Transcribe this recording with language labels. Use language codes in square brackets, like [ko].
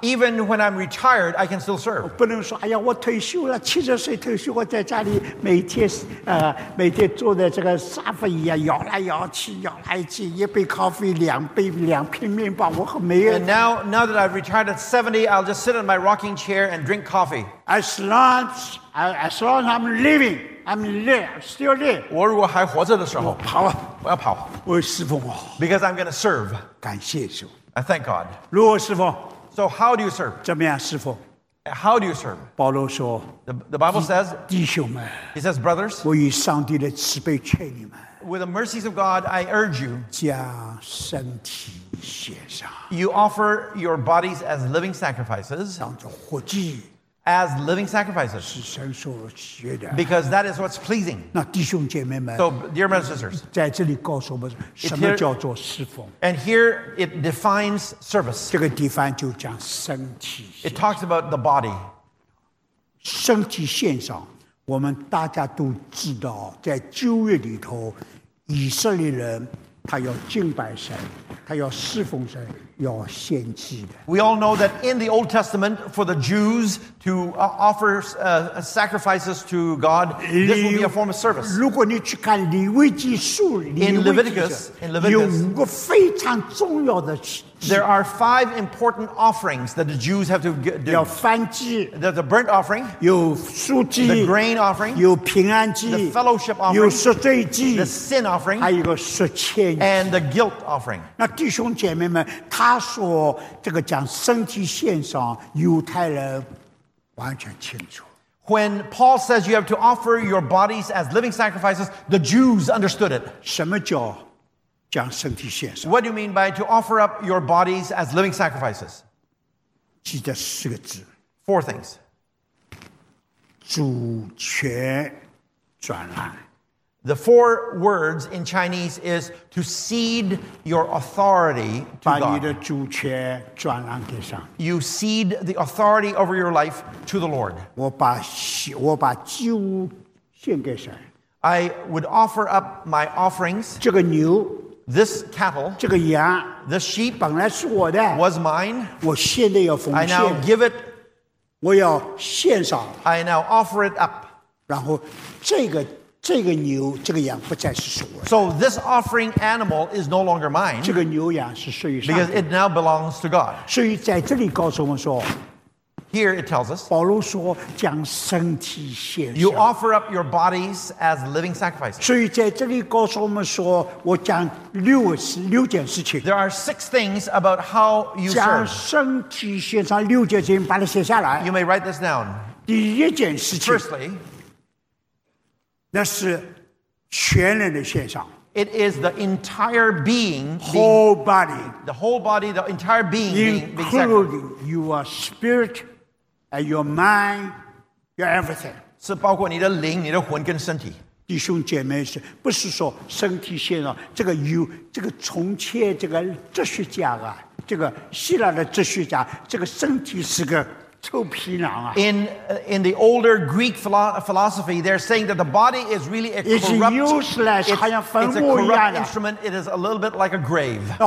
[en] Even when I'm retired, I can still serve. [zh] 不能说哎呀，我退休了，七十岁退休，我在家里每天每天坐在这个沙发椅啊，摇来摇去，摇来去，一杯咖啡，两片面包，我很没有。 [en] And now that I've retired at 70, I'll just sit in my rocking chair and drink coffee. As long as I'm living, I'm there, still there. [zh] 我如果还活着的时候，跑啊，我要跑，我要侍奉啊。 [en] Because I'm going to serve. [zh] 感谢主。 [en] I thank God. [zh] 如果侍奉。 [en] So how do you serve? [zh] 怎么样侍奉? [en] How do you serve? [zh] 保罗说, [en] the Bible says, [zh] 弟兄们, [en] He says, brothers, [zh] 我以上帝的慈悲劝你们, [en] with the mercies of God, I urge you, [zh] 将身体献上, [en] you offer your bodies as living sacrifices, [zh] 当作活祭, [en] as living sacrifices, [zh] 是神所悦的, [en] because that is what's pleasing. [zh] 那弟兄姐妹们, [en] so dear brothers and sisters, [zh] 在这里告诉我们什么叫做侍奉, [en] and here it defines service. [zh] 这个 define 就讲身体, [en] it talks about the body. [zh] 身体献上, 我们大家都知道, 在旧约里头, 以色列人他要敬拜神, 他要侍奉神。要献祭的。 [en] We all know that in the Old Testament, for the Jews to offer sacrifices to God, this will be a form of service. [zh] 如果你去看利未记书， [en] In Leviticus, [zh] 有五个非常重要的。 [en] There are five important offerings that the Jews have to do. [zh] 有燔祭。 [en] The burnt offering. [zh] 有素祭。 [en] The grain offering. [zh] 有平安祭。 [en] The fellowship offering. [zh] 有赎罪祭。 [en] The sin offering. [zh] 还有个赎愆祭。 [en] And the guilt offering. [zh] 那弟兄姐妹们。他说这个讲身体献上犹太人完全清楚 [en] When Paul says you have to offer your bodies as living sacrifices the Jews understood it [zh] 什么叫讲身体献上 [en] What do you mean by to offer up your bodies as living sacrifices [zh] 记得四个字 [en] Four things [zh] 主权转让 [en] The four words in Chinese is to cede your authority to God. [zh] 把你的主权转让给上。 [en] You cede the authority over your life to the Lord. [zh] 我把祭物献给神。 [en] I would offer up my offerings. [zh] 这个牛。 [en] This cattle. [zh] 这个羊。 [en] This sheep. [zh] 本来是我的。 [en] Was mine. [zh] 我现在要奉献。 [en] I now give it. [zh] 我要献上。 [en] I now offer it up. [zh] 然后这个。这个牛这个羊不再是属我的。 [en] So this offering animal is no longer mine. [zh] 这个牛羊是属于上帝。 [en] Because it now belongs to God. [zh] 所以在这里告诉我们说。 [en] Here it tells us. [zh] 保罗说将身体献上。 [en] You offer up your bodies as living sacrifices. [zh] 所以在这里告诉我们说我讲六件事情。 [en] There are six things about how you serve. [zh] 将身体献上六件事情把它写下来。 [en] You may write this down. [zh] 第一件事情。 [en] Firstly, [zh] 那是全人的献上。 [en] It is the entire being, whole body, the whole body, the entire being, including your spirit and your mind, your everything. [zh] 是包括你的灵、你的魂跟身体。弟兄姐妹是，不是说身体献上？这个有这个从前这个哲学家啊，这个希腊的哲学家，这个身体是个。 [en] In the older Greek philosophy, they're saying that the body is really a corrupt, it's useless, it's a corrupt instrument. It is a little bit like a grave.